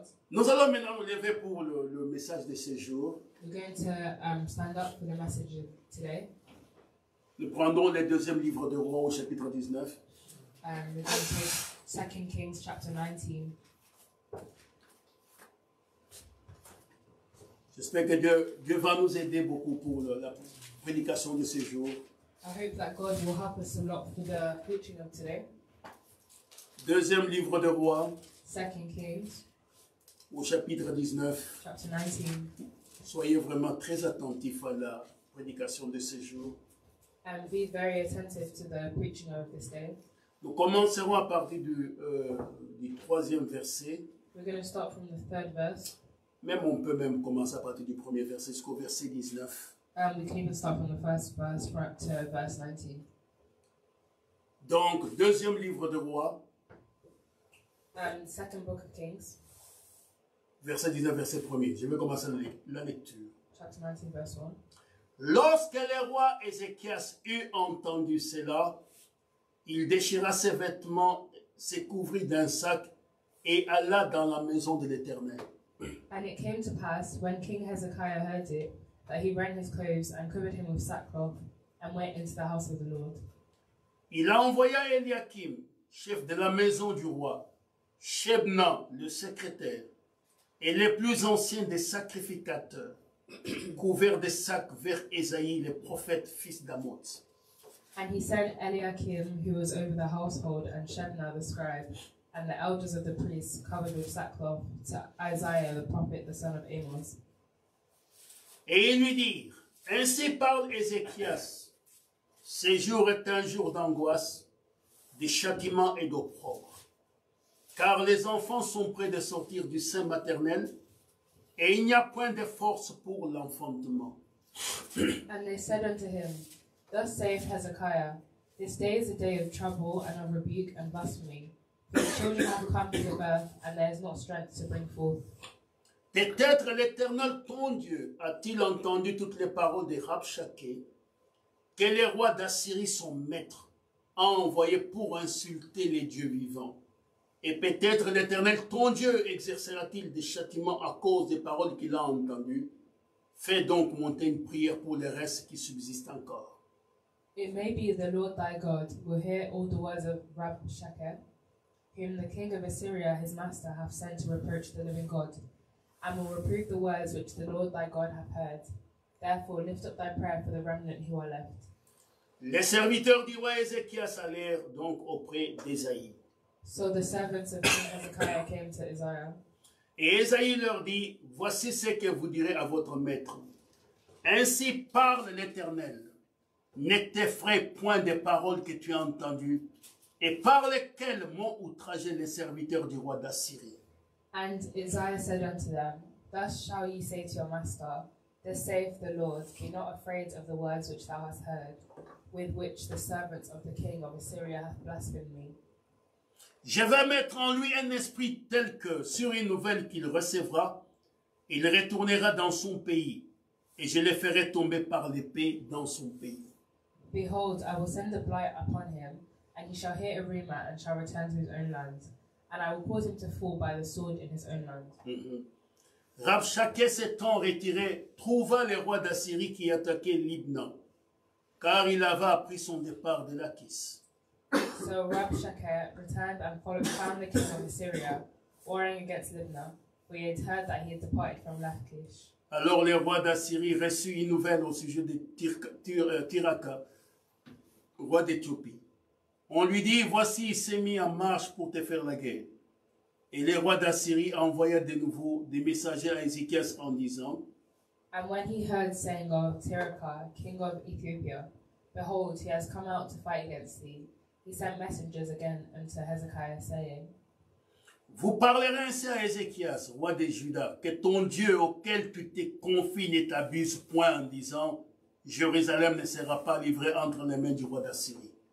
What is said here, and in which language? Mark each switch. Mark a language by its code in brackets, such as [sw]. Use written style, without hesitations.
[fr] Nous allons maintenant nous lever pour le message de ce jour. [en] We're going to stand up for the message of today. [fr] Nous prendrons le deuxième livre de Rois au chapitre 19. [en] We're going to take 2 Kings chapter 19. [fr] J'espère que Dieu va nous aider beaucoup pour la prédication de ces jours. [en] I hope that God will help us a lot for the preaching of today. [fr] Deuxième livre de Rois. [en] 2 Kings. [fr] Au chapitre 19. [en] Chapter 19. [fr] Soyez vraiment très attentifs à la prédication de ces jours. [en] And be very attentive to the preaching of this day. [fr] Nous commencerons à partir du troisième verset. [en] We're going to start from the third verse. [fr] Même on peut même commencer à partir du premier verset jusqu'au verset 19. [en] We can even start from the first verse right to verse 19. [fr] Donc, deuxième livre de Rois. [en] Second book of Kings. [fr] Verset 19, verset 1er. Je vais commencer la lecture. [en] Chapter 19, verse 1. [fr] Lorsque le roi Ézéchias eut entendu cela, il déchira ses vêtements, se couvrit d'un sac et alla dans la maison de l'Éternel. [en] And it came to pass, when King Hezekiah heard it, that he rent his clothes and covered him with sackcloth and went into the house of the Lord. [fr] Il envoya Eliakim, chef de la maison du roi, Shebna, le secrétaire, et les plus anciens des sacrificateurs, couverts de sacs vers Esaïe, le prophète, fils d'Amoz. [en] And he sent Eliakim, who was over the household, and Shebna, the scribe, and the elders of the priests, covered with sackcloth, to Isaiah, the prophet, the son of Amoz. [fr] Et ils lui dirent, ainsi parle Ézéchias, ce jour est un jour d'angoisse, de châtiment et d'opprobre. Car les enfants sont prêts de sortir du sein maternel et il n'y a point de force pour l'enfantement. [en] And they said unto him, thus saith Hezekiah, this day is a day of trouble and of rebuke and blasphemy. The children have come to the birth and there is not strength to bring forth. [fr] Peut-être l'Éternel ton Dieu a-t-il entendu toutes les paroles des Rabshakeh que les rois d'Assyrie son maître a envoyé pour insulter les dieux vivants. Et peut-être l'Éternel, ton Dieu, exercera-t-il des châtiments à cause des paroles qu'il a entendues. Fais donc monter une prière pour les restes qui subsistent encore. [en] It may be the Lord thy God will hear all the words of Rabshakeh, whom the king of Assyria, his master, hath sent to reproach the living God, and will reprove the words which the Lord thy God hath heard. Therefore, lift up thy prayer for the remnant who are left. [fr] Les serviteurs du roi Ézéchias allèrent donc auprès d'Ésaïe. [en] So the servants of King Hezekiah came to Isaiah. [fr] Et Esaïe leur dit, voici ce que vous direz à votre maître. Ainsi parle l'Éternel. Ne t'effraie point des paroles que tu as entendues et par lesquelles m'ont outragé les serviteurs du roi d'Assyrie. [en] And Isaiah said unto them, thus shall ye say to your master, thus saith the Lord, be not afraid of the words which thou hast heard, with which the servants of the king of Assyria have blasphemed me. [fr] Je vais mettre en lui un esprit tel que, sur une nouvelle qu'il recevra, il retournera dans son pays, et je le ferai tomber par l'épée dans son pays. [en] Behold, I will send a blight upon him, and he shall hear a rumor, and shall return to his own land, and I will cause him to fall by the sword in his own land. [fr] Rabshakeh s'étant retiré, trouva les rois d'Assyrie qui attaquaient Libna, car il avait appris son départ de Lachish. [en] So Rabshakeh returned and found the king of Assyria, warring against Libna, for he had heard that he had departed from Lachish. [fr] Alors les rois d'Assyrie reçurent une nouvelle au sujet de Tiraka, roi d'Éthiopie. On lui dit, voici, il s'est mis en marche pour te faire la guerre. Et les rois d'Assyrie envoyaient de nouveau des messagers à Ézéchias en disant, [en] and when he heard saying of Tiraka, king of Ethiopia, behold, he has come out to fight against thee. He sent messengers again unto Hezekiah, saying, [fr] vous parlerez ainsi à Ézéchias, roi de Juda, que ton Dieu auquel tu t'es confié ne t'abuse point en disant, Jérusalem ne sera pas livrée entre les mains du roi d'Assyrie.